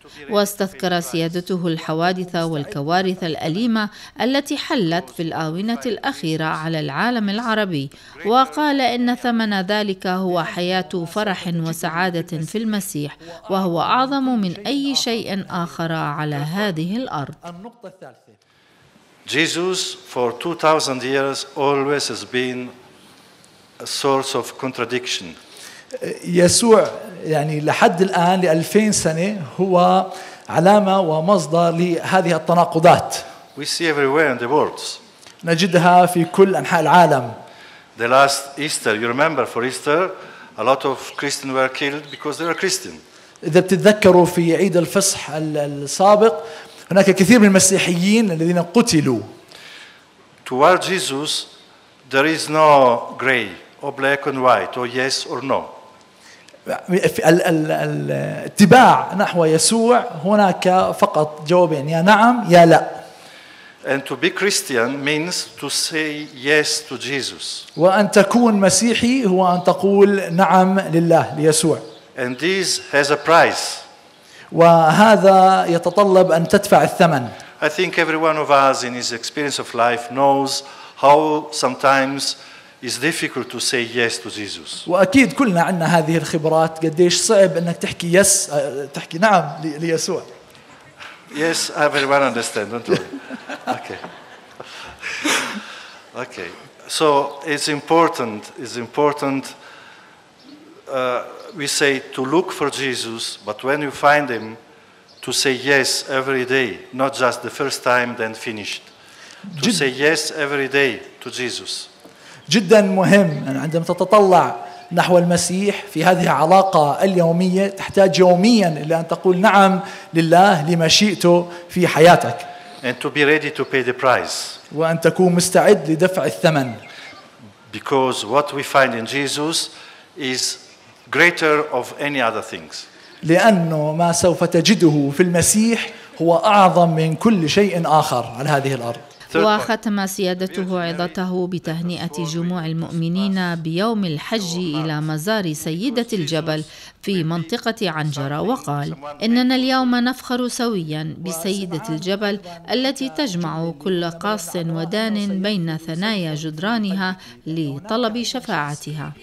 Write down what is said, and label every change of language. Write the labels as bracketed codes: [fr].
[ar] واستذكر سيادته الحوادث والكوارث الأليمة التي حلت في الآونة الأخيرة على العالم العربي، وقال إن ثمن ذلك هو حياة فرح وسعادة في المسيح، وهو أعظم من أي شيء آخر على هذه الأرض. [en] Jesus for 2000 years always has been a source of contradiction. [ar] يسوع يعني لحد الآن لألفين سنة هو علامة ومصدر لهذه التناقضات. [en] We see everywhere in the world. [ar] نجدها في كل أنحاء العالم. [en] The last Easter, you remember for Easter, a lot of Christians were killed because they were Christian. [ar] إذا بتتذكروا في عيد الفصح السابق هناك كثير من المسيحيين الذين قتلوا. [en] Toward Jesus, there is no gray or black and white or yes or no. [ar] الاتباع نحو يسوع هناك فقط جواب يعني يا نعم يا لا. [en] And to be Christian means to say yes to Jesus. [ar] وأن تكون مسيحي هو أن تقول نعم لله ليسوع. [en] And this has a price. [ar] وهذا يتطلب أن تدفع الثمن. [en] I think every one of us in his experience of life knows how sometimes it's difficult to say yes to Jesus. [ar] وأكيد كلنا عندنا هذه الخبرات، قديش صعب إنك تحكي yes، تحكي نعم ليسوع. [en] Yes, everyone understand, don't worry. Okay. So it's important. We say to look for Jesus, but when you find him, to say yes every day, not just the first time, then finished. To say yes every day to Jesus. [ar] جدا مهم أن عندما تتطلع نحو المسيح في هذه العلاقة اليومية تحتاج يوميا إلى أن تقول نعم لله لمشيئته في حياتك. [en] And to be ready to pay the price. [ar] وأن تكون مستعد لدفع الثمن. [en] Because what we find in Jesus is greater of any other things. [ar] لأنه ما سوف تجده في المسيح هو أعظم من كل شيء آخر على هذه الأرض. وختم سيادته عظته بتهنئة جموع المؤمنين بيوم الحج إلى مزار سيدة الجبل في منطقة عنجرة، وقال إننا اليوم نفخر سويا بسيدة الجبل التي تجمع كل قاص ودان بين ثنايا جدرانها لطلب شفاعتها.